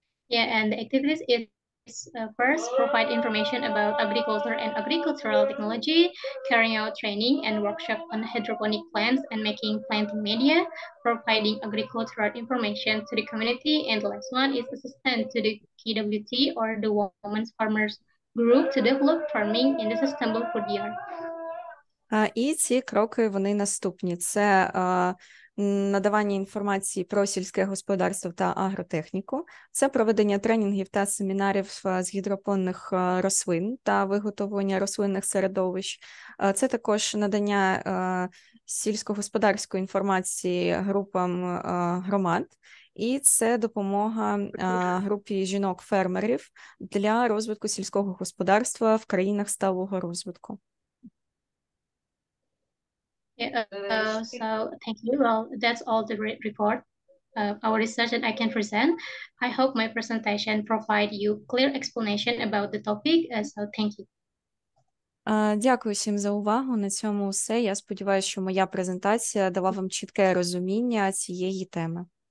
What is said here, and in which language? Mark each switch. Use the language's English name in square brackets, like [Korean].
[English] Yeah, and the activities is first provide information about agriculture and agricultural technology, carrying out training and workshop on hydroponic plants and making planting media, providing agricultural information to the community, and the last one is assistant to the KWT or the Women's Farmers Group to develop farming in the sustainable food yard. [Ukrainian] І ці кроки, вони наступні. Це надавання інформації про сільське господарство та агротехніку, це проведення тренінгів та семінарів з гідропонних рослин та виготовлення рослинних середовищ, це також надання сільськогосподарської інформації групам громад, і це допомога групі жінок-фермерів для розвитку сільського господарства в країнах сталого розвитку. [English] So thank you. Well, that's all the report, our research that I can present. I hope my presentation provide you clear explanation about the topic. So thank you. [Ukrainian] Дякую всім за увагу. На цьому все. Я сподіваюся, що моя презентація дала вам чітке розуміння цієї теми.